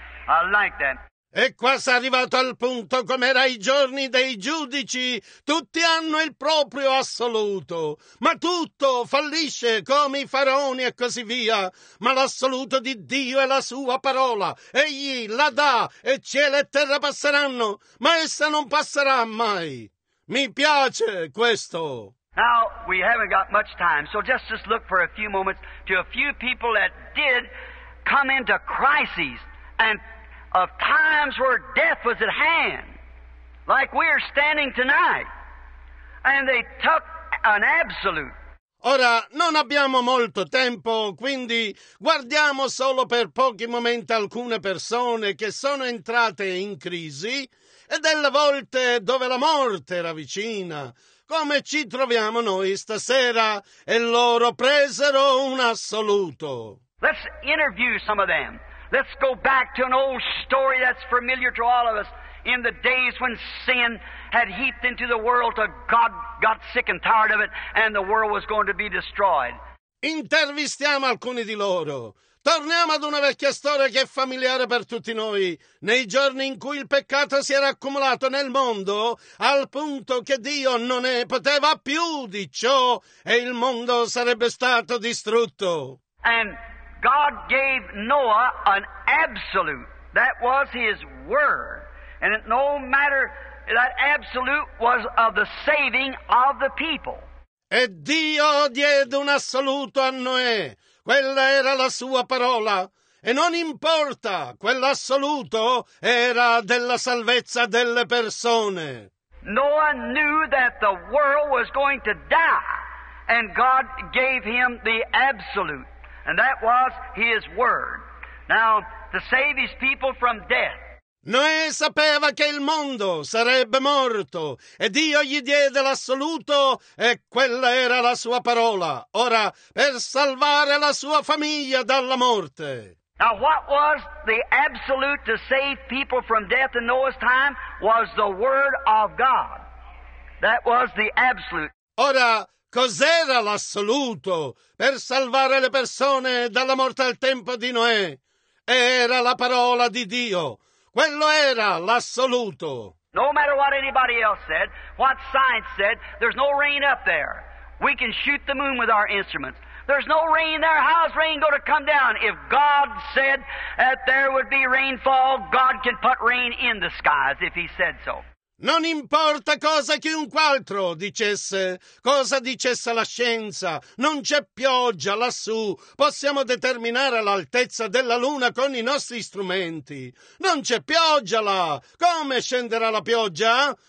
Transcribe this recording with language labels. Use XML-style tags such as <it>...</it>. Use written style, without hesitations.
<en>I like that.</en> <it>E qua si è arrivato al punto come era ai giorni dei giudici. Tutti hanno il proprio assoluto, ma tutto fallisce come i faraoni e così via. Ma l'assoluto di Dio è la sua parola. Egli la dà e cielo e terra passeranno, ma essa non passerà mai. Mi piace questo.</it> <en>Now, we haven't got much time, so just look for a few moments to a few people that did come into crises and of times where death was at hand, like we're standing tonight, and they took an absolute.</en> <it>Ora, non abbiamo molto tempo, quindi guardiamo solo per pochi momenti alcune persone che sono entrate in crisi e delle volte dove la morte era vicina, come ci troviamo noi stasera, e loro presero un assoluto.</it> <en>Let's interview some of them. Let's go back to an old story that's familiar to all of us. In the days when sin had heaped into the world till God got sick and tired of it and the world was going to be destroyed.</en> <it>Intervistiamo alcuni di loro. Torniamo ad una vecchia storia che è familiare per tutti noi. Nei giorni in cui il peccato si era accumulato nel mondo, al punto che Dio non ne poteva più di ciò e il mondo sarebbe stato distrutto.</it> <en>And God gave Noah an absolute. That was His word. And no matter, that absolute was of the saving of the people.</en> <it>E Dio diede un assoluto a Noè. Quella era la sua parola. E non importa, quell'assoluto era della salvezza delle persone.</it> <en>Noah knew that the world was going to die. And God gave him the absolute. And that was His word. Now, to save His people from death.</en> <it>Noè sapeva che il mondo sarebbe morto, e Dio gli diede l'assoluto, e quella era la sua parola. Ora, per salvare la sua famiglia dalla morte.</it> <en>Now, what was the absolute to save people from death in Noah's time? Was the word of God. That was the absolute.</en> <it>Ora, cos'era l'assoluto per salvare le persone dalla morte al tempo di Noè? Era la parola di Dio. Quello era l'assoluto.</it> <en>No matter what anybody else said, what science said, there's no rain up there. We can shoot the moon with our instruments. There's no rain there. How's rain going to come down? If God said that there would be rainfall, God can put rain in the skies if He said so.</en> <it>Non importa cosa chiunque altro dicesse, cosa dicesse la scienza, non c'è pioggia lassù, possiamo determinare l'altezza della luna con i nostri strumenti. Non c'è pioggia là, come scenderà la pioggia?</it>